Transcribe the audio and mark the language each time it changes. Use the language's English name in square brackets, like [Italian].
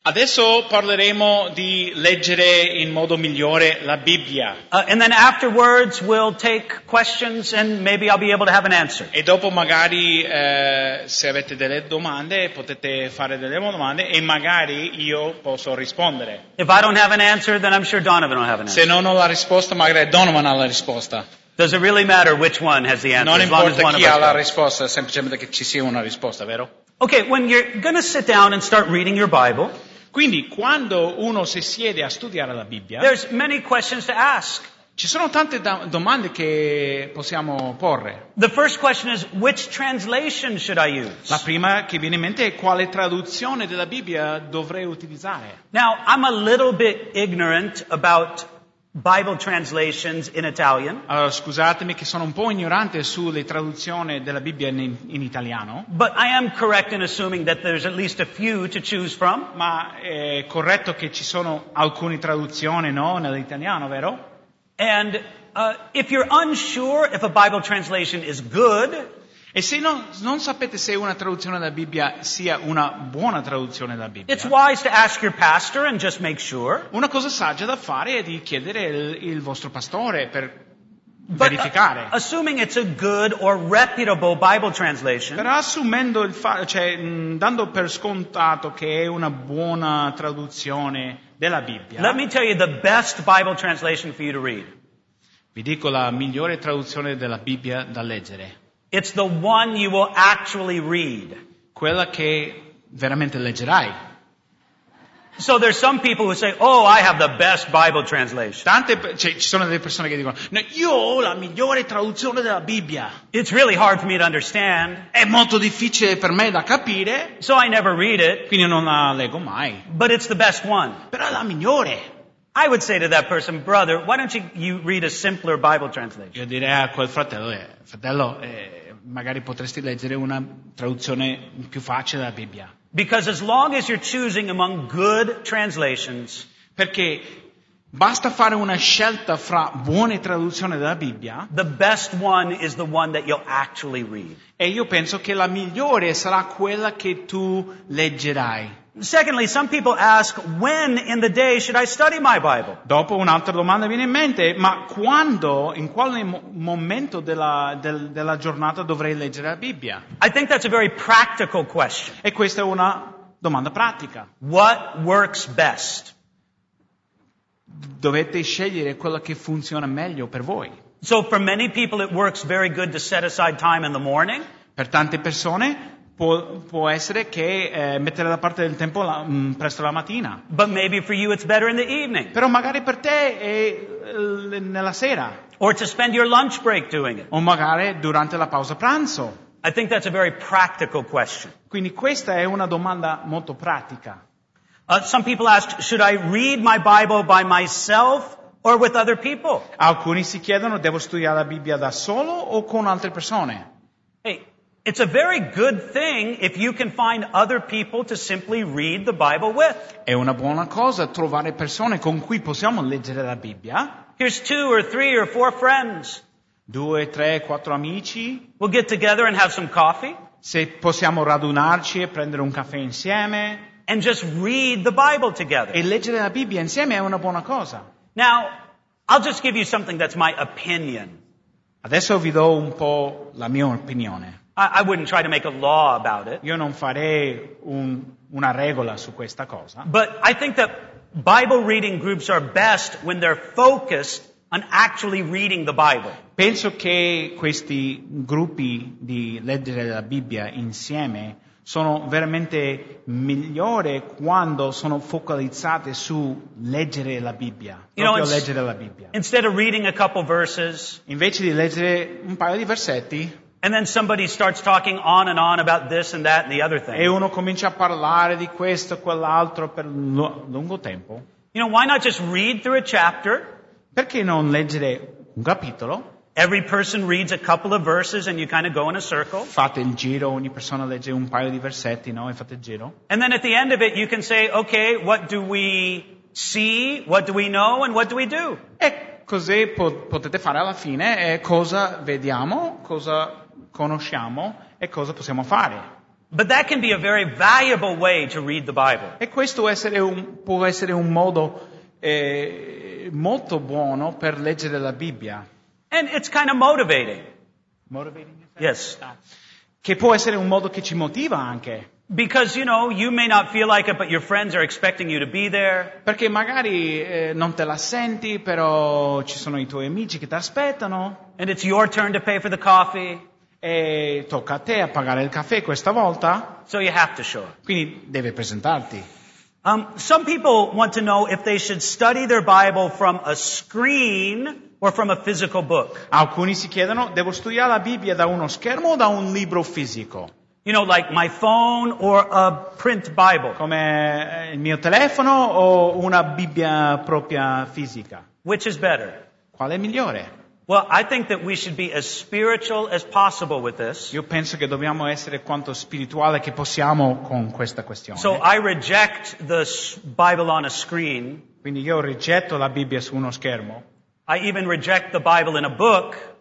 [Italian] Adesso parleremo di leggere in modo migliore la Bibbia. [English] And then afterwards we'll take questions and maybe I'll be able to have an answer. [Italian] E dopo magari se avete delle domande potete fare delle domande e magari io posso rispondere. [English] If I don't have an answer, then I'm sure Donovan will have an answer. [Italian] Se non ho la risposta, magari Donovan ha la risposta. [English] Does it really matter which one has the answer? [Italian] Non importa chi ha la risposta, semplicemente che ci sia una risposta, vero? [English] Okay, when you're going to sit down and start reading your Bible, [Italian] quindi quando uno si siede a studiare la Bibbia, [English] there's many questions to ask. [Italian] Ci sono tante domande che possiamo porre. [English] The first question is, which translation should I use? [Italian] La prima che viene in mente è quale traduzione della Bibbia dovrei utilizzare. [English] Now, I'm a little bit ignorant about Bible translations in Italian. [Italian] Scusatemi che sono un po' ignorante sulle traduzioni della Bibbia in italiano. [English] But I am correct in assuming that there's at least a few to choose from. [Italian] Ma è corretto che ci sono alcune traduzioni, no, nell'italiano, vero? [English] And if you're unsure if a Bible translation is good, [Italian] e se non sapete se una traduzione della Bibbia sia una buona traduzione della Bibbia, [English] it's wise to ask your pastor and just make sure. [Italian] Una cosa saggia da fare è di chiedere il vostro pastore per verificare. [English] But, assuming it's a good or reputable Bible translation, [Italian] però assumendo il fatto, cioè dando per scontato che è una buona traduzione della Bibbia, [English] let me tell you the best Bible translation for you to read. [Italian] Vi dico la migliore traduzione della Bibbia da leggere. [English] It's the one you will actually read. [Italian] Quella che veramente leggerai. [English] So there's some people who say, "Oh, I have the best Bible translation." [Italian] Tante, cioè, ci sono delle persone che dicono, "No, io ho la migliore traduzione della Bibbia." [English] It's really hard for me to understand. [Italian] È molto difficile per me da capire. [English] So I never read it. [Italian] Quindi non la leggo mai. [English] But it's the best one. [Italian] Però è la migliore. [English] I would say to that person, brother, why don't you read a simpler Bible translation? [Italian] Io direi a quel fratello, magari potresti leggere una traduzione più facile della Bibbia. [English] Because as long as you're choosing among good translations, [Italian] perché basta fare una scelta fra buone traduzioni della Bibbia, [English] the best one is the one that you'll actually read. [Italian] E io penso che la migliore sarà quella che tu leggerai. [English] Secondly, some people ask, when in the day should I study my Bible? [Italian] Dopo un'altra domanda viene in mente, ma quando, in quale momento della giornata dovrei leggere la Bibbia? [English] I think that's a very practical question. [Italian] E questa è una domanda pratica. [English] What works best? [Italian] Dovete scegliere quello che funziona meglio per voi. [English] So for many people it works very good to set aside time in the morning. [Italian] Per tante persone può essere che mettere da parte del tempo presto la mattina. [English] But maybe for you it's better in the evening. [Italian] Però magari per te è nella sera. [English] Or to spend your lunch break doing it. [Italian] O magari durante la pausa pranzo. [English] I think that's a very practical question. [Italian] Quindi questa è una domanda molto pratica. [English] Some people ask, should I read my Bible by myself or with other people? [Italian] Alcuni si chiedono, devo studiare la Bibbia da solo o con altre persone? [English] It's a very good thing if you can find other people to simply read the Bible with. [Italian] È una buona cosa trovare persone con cui possiamo leggere la Bibbia. [English] Here's two or three or four friends. [Italian] Due, tre, quattro amici. [English] We'll get together and have some coffee. [Italian] Se possiamo radunarci e prendere un caffè insieme. [English] And just read the Bible together. [Italian] E leggere la Bibbia insieme è una buona cosa. [English] Now, I'll just give you something that's my opinion. [Italian] Adesso vi do un po' la mia opinione. [English] I wouldn't try to make a law about it. [Italian] Io non farei una regola su questa cosa. [English] But I think that Bible reading groups are best when they're focused on actually reading the Bible. [Italian] Penso che questi gruppi di leggere la Bibbia insieme sono veramente migliori quando sono focalizzate su leggere la Bibbia, leggere la Bibbia. [English] Instead of reading a couple verses, [Italian] invece di leggere un paio di versetti. [English] And then somebody starts talking on and on about this and that and the other thing. [Italian] E uno comincia a parlare di questo e quell'altro per lungo tempo. [English] You know, why not just read through a chapter? [Italian] Perché non leggere un capitolo? [English] Every person reads a couple of verses and you kind of go in a circle. [Italian] Fate il giro, ogni persona legge un paio di versetti, no? E fate il giro. [English] And then at the end of it you can say, okay, what do we see, what do we know, and what do we do? [Italian] E così potete fare alla fine, cosa vediamo, cosa conosciamo e cosa possiamo fare. [English] But that can be a very valuable way to read the Bible. [Italian] E questo può essere un modo molto buono per leggere la Bibbia. [English] And it's kind of motivating. Motivating? Yes. [Italian] Che può essere un modo che ci motiva anche. [English] Because, you know, you may not feel like it, but your friends are expecting you to be there. [Italian] Perché magari non te la senti, però ci sono I tuoi amici che ti aspettano. [English] And it's your turn to pay for the coffee. [Italian] E tocca a te a pagare il caffè questa volta. [English] So you have to show up. [Italian] Quindi devi presentarti. [English] Some people want to know if they should study their Bible from a screen or from a physical book. [Italian] Alcuni si chiedono, devo studiare la Bibbia da uno schermo o da un libro fisico? [English] You know, like my phone or a print Bible. [Italian] Come il mio telefono o una Bibbia propria fisica? [English] Which is better? [Italian] Qual è migliore? [English] Well, I think that we should be as spiritual as possible with this. [Italian] Io penso che dobbiamo essere quanto spirituale che possiamo con questa questione. [English] So I reject the Bible on a screen. [Italian] Quindi io rigetto la Bibbia su uno schermo. [English] I even reject the Bible in a book.